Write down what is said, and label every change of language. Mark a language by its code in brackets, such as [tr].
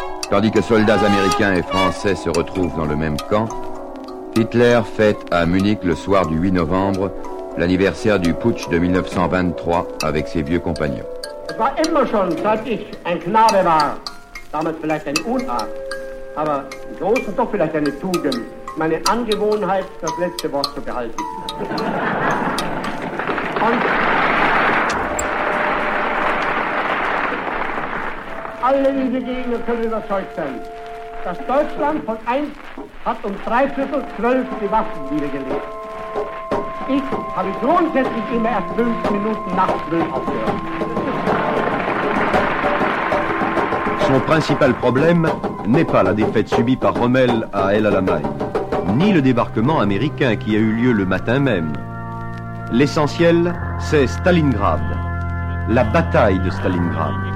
[fr] Tandis que soldats américains et français se retrouvent dans le même camp, Hitler fête à Munich le soir du 8 novembre l'anniversaire du putsch de 1923 avec ses vieux compagnons. [de] Es war immer schon, seit ich ein Knabe war, damals vielleicht eine Unart, aber im Großen doch vielleicht eine Tugend. Meine Angewohnheit, das letzte Wort zu behalten. Und alle diese Gegner können überzeugt sein, dass Deutschland von 1 hat um 11:45 die Waffen niedergelegt. Ich habe grundsätzlich immer erst 5 Minuten nach 12 aufgehört. [fr] Son principal problème n'est pas la défaite subie par Rommel à El Alamein, ni le débarquement américain qui a eu lieu le matin même. L'essentiel, c'est Stalingrad, la bataille de Stalingrad.